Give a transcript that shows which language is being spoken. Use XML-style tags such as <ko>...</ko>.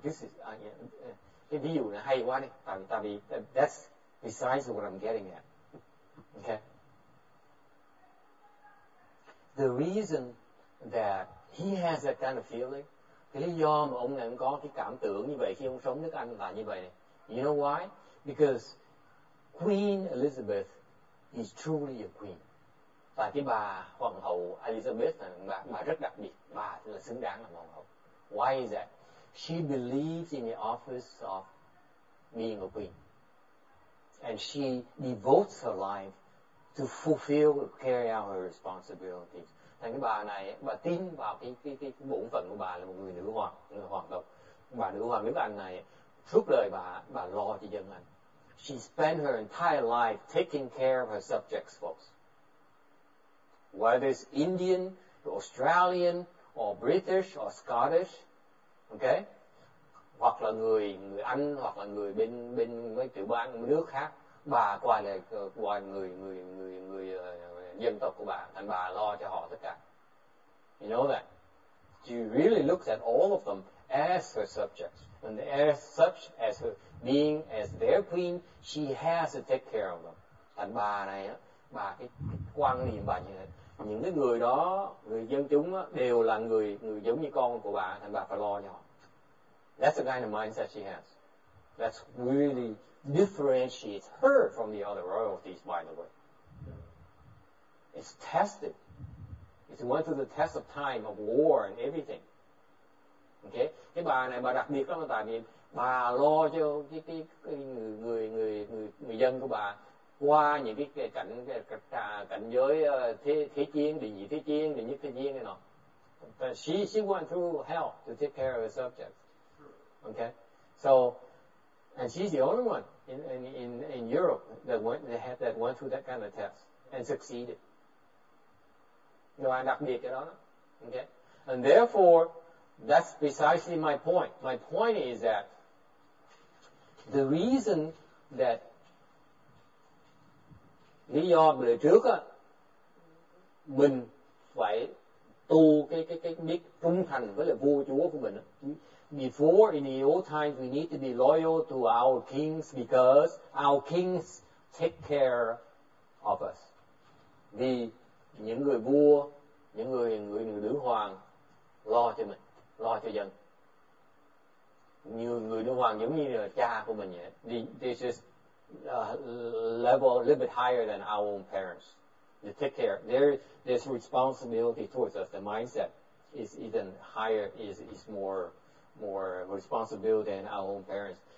<en>This is</en> <vi>cái ví dụ này hay quá đi. Tại vì</vi> <en>that's besides what I'm getting at. Okay. The reason that he has that kind of feeling,</en> <vi>cái lý do mà ông này có cái cảm tưởng như vậy khi ông sống nước Anh là như vậy.</vi> <en>You know why? Because Queen Elizabeth is truly a queen.</en> <vi>Và cái bà hoàng hậu Elizabeth là bà rất đặc biệt, bà là xứng đáng là hoàng hậu.</vi> <en>Why is that? She believes in the office of being a queen. And she devotes her life to fulfill, carry out her responsibilities.</en> <vi>Thành cái bà này, bà tin vào cái bổn phận của bà là một người nữ hoàng, người hoàng tộc. Bà nữ hoàng nước Anh này, suốt đời bà lo cho dân Anh.</vi> <en>She spent her entire life taking care of her subjects, folks. Whether it's Indian, Australian, or British, or Scottish, okay?</en> <vi>hoặc là người Anh, hoặc là người bên mấy tiểu bang nước khác, bà qua là qua người dân tộc của bà, thành bà lo cho họ tất cả.</vi> <en>You know that? She really looks at all of them as her subjects, and as such as her being as their queen, she has to take care of them.</en> <vi>Thành bà này á, bà cái quan niệm bà như thế, những cái người đó, người dân chúng á, đều là người giống như con của bà, thành bà phải lo cho họ.</vi> <en>That's the kind of mindset she has. That's really differentiates her from the other royalties, by the way. It's tested. It went through the test of time, of war and everything. Okay?</en> <vi>Cái bà này bà đặc biệt lắm, tại vì bà lo cho cái người dân của bà qua những cái cảnh giới thế chiến, địa nhị thế chiến, địa nhất thế chiến này nọ.</vi> <en>But she went through hell to take care of the subjects. Okay? So, and she's the only one in Europe that went through that kind of test and succeeded. No, I'm not making it on. Okay? And therefore, that's precisely my point. My point is that the reason that</en> <vi>lý do người trước á, mình phải tu cái biết trung thành với lại vua chúa của mình á.</vi> <en>Before, in the old times, we need to be loyal to our kings because our kings take care of us.</en> <vi>Vì những người vua, những người nữ hoàng lo cho mình, lo cho dân. Như người nữ hoàng giống như là cha của mình vậy.</vi> <en>This is a level a little bit higher than our own parents. They take care. There's responsibility towards us. The mindset is even higher, is more responsibility than our own parents.</en>